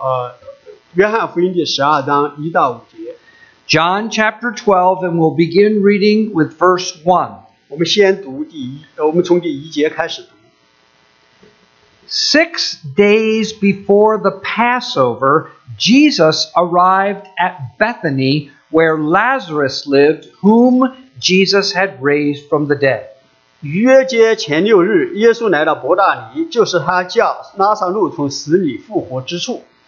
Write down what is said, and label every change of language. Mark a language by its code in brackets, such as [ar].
[zh] 那么今天我在和大家分享的时候,我要你们翻到约翰福音第12章1到5节。 [en] John chapter 12, and we'll begin reading with verse 1. [zh] 我们从第一节开始读。 [en] 6 days before the Passover, Jesus arrived at Bethany, where Lazarus lived, whom Jesus had raised from the dead. [zh] 逾越节前六日,耶稣来到伯大尼,就是他叫拉撒路从死里复活之处。